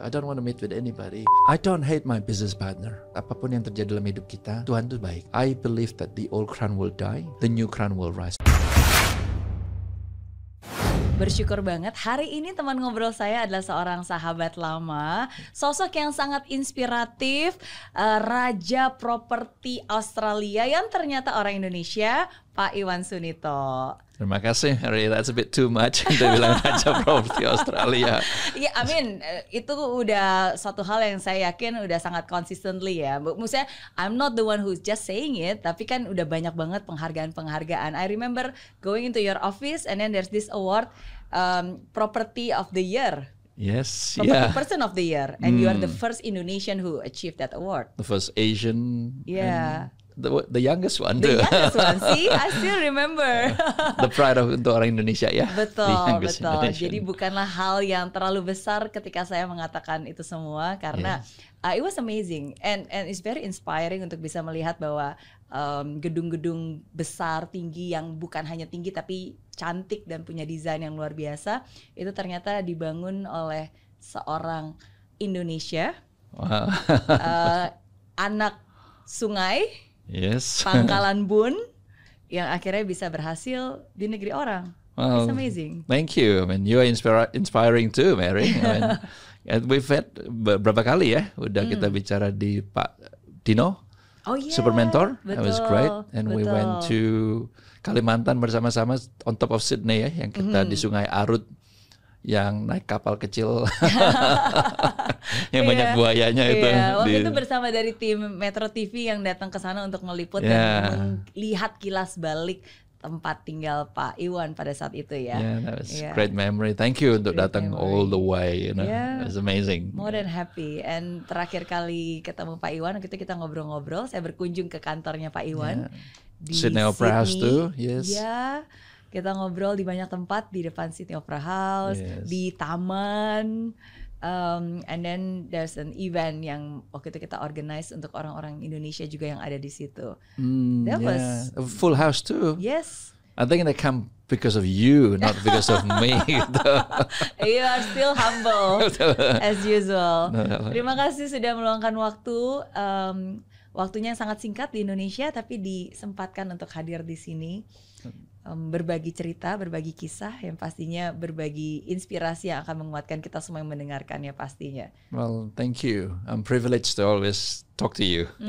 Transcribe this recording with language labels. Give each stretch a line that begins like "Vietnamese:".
English: I don't want to meet with anybody. I don't hate my business partner.
Indonesian: Apapun yang terjadi dalam hidup kita, Tuhan tuh baik.
English: I believe that the old crown will die, the new crown will rise.
Indonesian: Bersyukur banget hari ini teman ngobrol saya adalah seorang sahabat lama, sosok yang sangat inspiratif, Raja Properti Australia yang ternyata orang Indonesia, Pak Iwan Sunito. Terima kasih,
English: Harry. That's a bit too much.
Indonesian: Dia bilang
English: Raja Properti Australia.
Indonesian: Iya,
English: yeah, I mean,
Indonesian: itu udah satu hal yang saya yakin udah sangat consistently ya. Maksudnya,
English: I'm not the one who's just saying it,
Indonesian: tapi kan udah banyak banget penghargaan-penghargaan.
English: I remember going into your office and then there's this award, Property of the Year. Yes, Property yeah. Property Person of the Year. And you are the first Indonesian who achieved that award. The first Asian. Yeah. The youngest one. The youngest one. See, I still remember. The pride of
Indonesian: untuk orang Indonesia ya. Betul, betul. Indonesian. Jadi bukanlah hal yang terlalu besar ketika saya mengatakan itu semua karena yes.
English: It was amazing and it's very inspiring
Indonesian: untuk bisa melihat bahwa gedung-gedung besar tinggi yang bukan hanya tinggi tapi cantik dan punya desain yang luar biasa itu ternyata dibangun oleh seorang Indonesia.
English: Wow.
Indonesian: Anak sungai.
English: Yes.
Indonesian: Pangkalan Bun yang akhirnya bisa berhasil di negeri orang.
English: Well, it's amazing. Thank you. I mean, you are inspiring too, Mary. I mean, and we've had
Indonesian: berapa kali ya udah kita bicara di Pak Dino.
English: Oh yeah. Super mentor.
Indonesian: Betul.
English: That was great. And
Indonesian: betul.
English: We went to Kalimantan
Indonesian: bersama-sama
English: on top of Sydney
Indonesian: ya yang kita di Sungai Arut yang naik kapal kecil. Yang banyak buayanya itu. Waktu itu bersama dari tim Metro TV yang datang ke sana untuk meliput dan melihat kilas balik tempat tinggal Pak Iwan pada saat itu ya.
English: Yeah, that was great memory. Thank you
Indonesian: untuk datang
English: all the way. You know, it's amazing. More than happy. And
Indonesian: terakhir kali ketemu Pak Iwan, waktu itu kita ngobrol-ngobrol. Saya berkunjung ke kantornya Pak Iwan
English: di Sydney Opera House too. Yes.
Indonesian: Kita ngobrol di banyak tempat di depan Sydney Opera House, di taman.
English: And then there's an event
Indonesian: yang waktu itu kita organize untuk orang-orang Indonesia juga yang ada di situ.
English: That was a full house too. Yes. I think they come because of you, not because of me. You are still humble as usual.
Indonesian: Terima kasih sudah meluangkan waktu. Waktunya yang sangat singkat di Indonesia, tapi disempatkan untuk hadir di sini. Berbagi cerita, berbagi kisah yang pastinya berbagi inspirasi yang akan menguatkan kita semua yang mendengarkannya pastinya.
English: Well, thank you. I'm privileged to always talk to you.